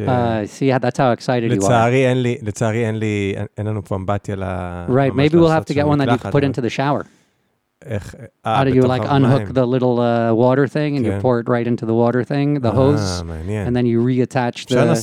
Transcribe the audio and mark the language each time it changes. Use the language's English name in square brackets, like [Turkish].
[English] See, yeah, that's how excited you are. [Hebrew] לצערי אין לי, אין לנו פה אמבטיה ל... [English] Right, maybe we'll have to get one that you can put into the shower. How do you like unhook the little water thing and you pour it right into the water thing, the hose, and then you reattach the...